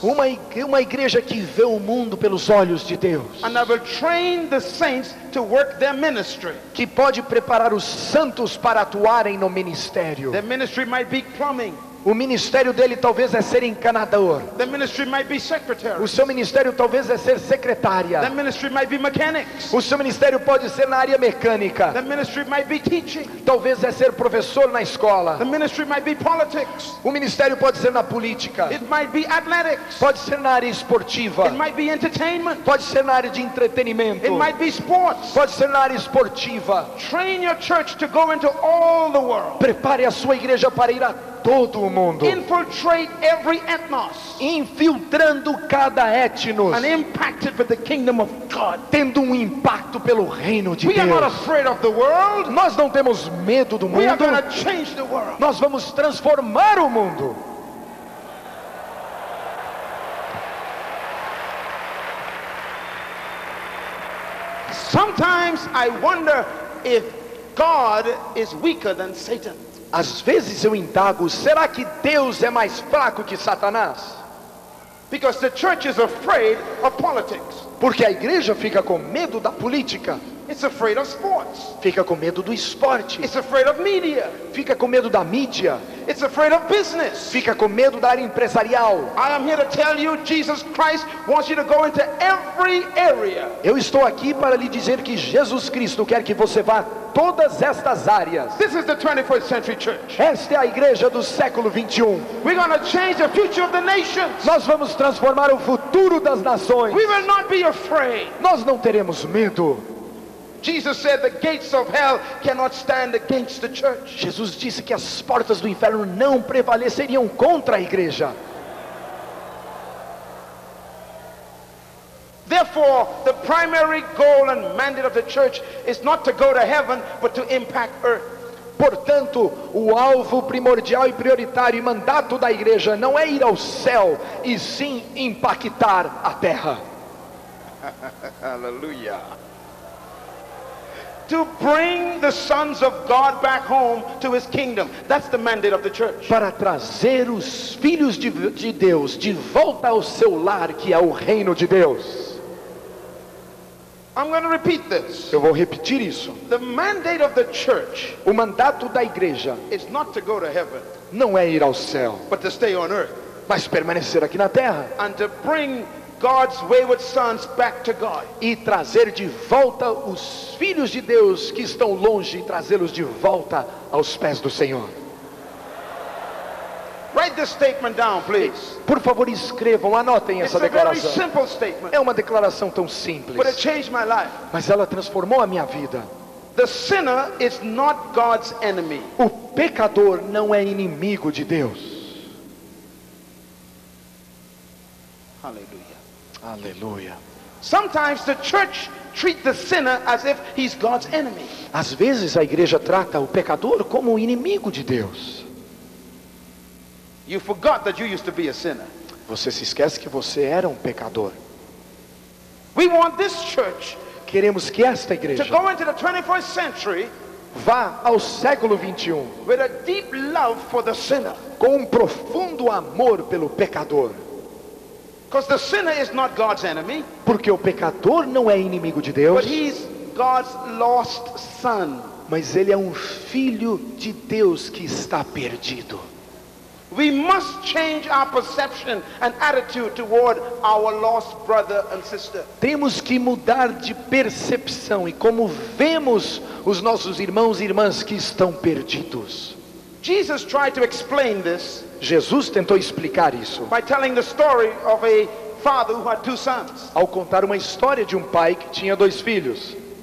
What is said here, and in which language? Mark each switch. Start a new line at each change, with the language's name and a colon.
Portuguese: Uma igreja que vê o mundo pelos olhos de Deus.
English: And I will train the saints to work their ministry.
Portuguese: Que pode preparar os santos para atuarem no ministério.
English: Their ministry might be plumbing.
Portuguese: O ministério dele talvez é ser encanador.
English: The ministry might be secretary.
Portuguese: O seu ministério talvez é ser secretária.
English: The ministry might be mechanics.
Portuguese: O seu ministério pode ser na área mecânica.
English: The ministry might be teaching.
Portuguese: Talvez é ser professor na escola.
English: The ministry might be politics.
Portuguese: O ministério pode ser na política.
English: It might be athletics.
Portuguese: Pode ser na área esportiva.
English: It might be entertainment.
Portuguese: Pode ser na área de entretenimento.
English: It might be sports.
Portuguese: Pode ser na área esportiva.
English: Train your church to go into all the world.
Portuguese: Prepare a sua igreja para ir a todo o mundo.
English: Infiltrate every ethnos.
Portuguese: Infiltrando cada etnos.
English: And impact it with the kingdom of God.
Portuguese: Tendo impacto pelo reino de
English: We
Portuguese: Deus.
English: We are not afraid of the world.
Portuguese: Nós não temos medo do mundo.
English: We are going to change the world.
Portuguese: Nós vamos transformar o mundo.
English: Sometimes I wonder if God is weaker than Satan.
Portuguese: Às vezes eu indago, será que Deus é mais fraco que Satanás?
English: Because the church is afraid of politics.
Portuguese: Porque a igreja fica com medo da política.
English: It's afraid of sports.
Portuguese: Fica com medo do esporte.
English: It's afraid of media.
Portuguese: Fica com medo da mídia.
English: It's afraid of business.
Portuguese: Fica com medo da área empresarial.
English: I am here to tell you, Jesus Christ wants you to go into every area.
Portuguese: Eu estou aqui para lhe dizer que Jesus Cristo quer que você vá todas estas áreas.
English: This is the 21st century church.
Portuguese: Esta é a igreja do século 21.
English: We're going to change the future of the nations.
Portuguese: Nós vamos transformar o futuro das nações.
English: We will not be afraid.
Portuguese: Nós não teremos medo.
English: Jesus said the gates of hell cannot stand against the church.
Portuguese: Jesus disse que as portas do inferno não prevaleceriam contra a igreja.
English: Therefore, the primary goal and mandate of the church is not to go to heaven, but to impact earth.
Portuguese: Portanto, o alvo primordial e prioritário e mandato da igreja não é ir ao céu, e sim impactar a terra.
English: Hallelujah. To bring the sons of God back home to his kingdom. That's the mandate of the church.
Portuguese: Para trazer os filhos de Deus de volta ao seu lar, que é o reino de Deus.
English: I'm going to repeat this.
Portuguese: Eu vou repetir isso.
English: The mandate of the church.
Portuguese: O mandato da igreja.
English: Is not to go to heaven.
Portuguese: Não é ir ao céu.
English: But to stay on earth.
Portuguese: Mas permanecer aqui na terra.
English: And to bring God's wayward sons back to God.
Portuguese: E trazer de volta os filhos de Deus que estão longe, e trazê-los de volta aos pés do Senhor.
English: Write this statement down, please.
Portuguese: Por favor, escrevam, anotem
English: It's
Portuguese: essa
English: a
Portuguese: declaração.
English: Very simple statement.
Portuguese: É uma declaração tão simples.
English: But it changed my life.
Portuguese: Mas ela transformou a minha vida.
English: The sinner is not God's enemy.
Portuguese: O pecador não é inimigo de Deus. Aleluia. Aleluia.
English: Sometimes the church treats the sinner as if he's God's enemy.
Portuguese: Às vezes a igreja trata o pecador como o inimigo de Deus.
English: You forgot that you used to be a sinner.
Portuguese: Você se esquece que você era um pecador.
English: We want this church.
Portuguese: Queremos que esta igreja
English: to go into the 21st century
Portuguese: vá ao século 21
English: with a deep love for the sinner.
Portuguese: Com um profundo amor pelo pecador.
English: Because the sinner is not God's enemy.
Portuguese: Porque o pecador não é inimigo de Deus.
English: But he's God's lost son.
Portuguese: Mas ele é um filho de Deus que está perdido.
English: We must change our perception and attitude toward our lost brother and sister.
Portuguese: Temos que mudar de percepção e como vemos os nossos irmãos e irmãs que estão perdidos.
English: Jesus tried to explain this.
Portuguese: Jesus tentou explicar isso.
English: By telling the story of a father who had two sons.
Portuguese: Ao contar uma história de um pai que tinha dois filhos.